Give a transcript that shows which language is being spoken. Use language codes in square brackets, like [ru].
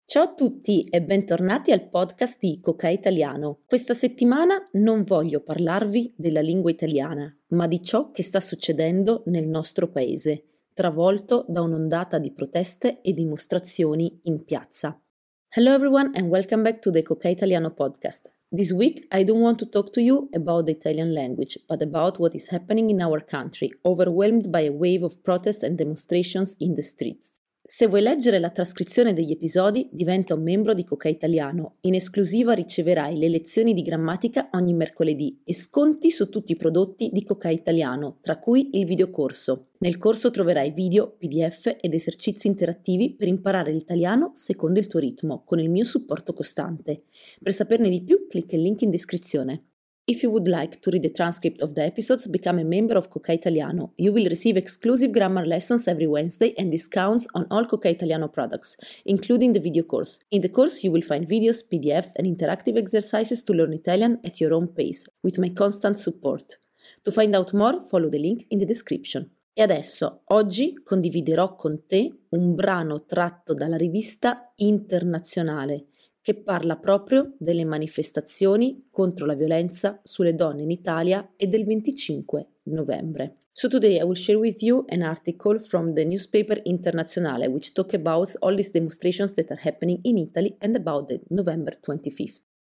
[it] Ciao a tutti e bentornati al podcast di Coca Italiano. Questa settimana non voglio parlarvi della lingua italiana, ma di ciò che sta succedendo nel nostro paese, travolto da un'ondata di proteste e dimostrazioni in piazza. [en] Hello everyone and welcome back to the Coca Italiano podcast. This week I don't want to talk to you about the Italian language, but about what is happening in our country, overwhelmed by a wave of protests and demonstrations in the streets. [it] Se vuoi leggere la trascrizione degli episodi, diventa un membro di Coca Italiano. In esclusiva riceverai le lezioni di grammatica ogni mercoledì e sconti su tutti i prodotti di Coca Italiano, tra cui il videocorso. Nel corso troverai video, PDF ed esercizi interattivi per imparare l'italiano secondo il tuo ritmo, con il mio supporto costante. Per saperne di più, clicca il link in descrizione. [en] If you would like to read the transcript of the episodes, become a member of Coca Italiano. You will receive exclusive grammar lessons every Wednesday and discounts on all Coca Italiano products, including the video course. In the course, you will find videos, PDFs, and interactive exercises to learn Italian at your own pace, with my constant support. To find out more, follow the link in the description. [it] E adesso, oggi, condividerò con te un brano tratto dalla rivista Internazionale, che parla proprio delle manifestazioni contro la violenza sulle donne in Italia e del 25 novembre. [en] So today I will share with you an article from the newspaper Internazionale, which talk about all these demonstrations that are happening in Italy and about the November 25th.